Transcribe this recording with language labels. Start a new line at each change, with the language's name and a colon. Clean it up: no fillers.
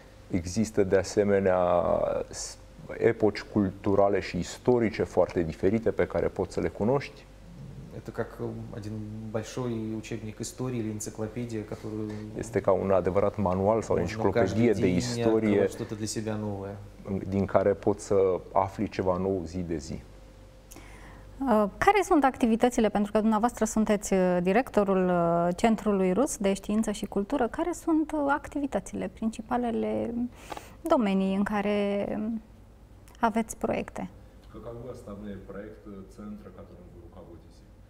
Romanian: Există de asemenea epoci culturale și istorice foarte diferite pe care poți să le cunoști.
Russian: Это как один большой учебник истории или энциклопедия, которую
Romanian: Este ca un adevărat manual sau enciclopedie de istorie,
Russian: что-то для себя новое.
Romanian: Din care poți să afli ceva nou zi de zi. Care sunt activitățile, pentru că dumneavoastră sunteți directorul Centrului Rus de Știință și Cultură, care sunt activitățile, principalele domenii în care aveți proiecte?
Russian: Какой основной проект центра, которым вы руководите?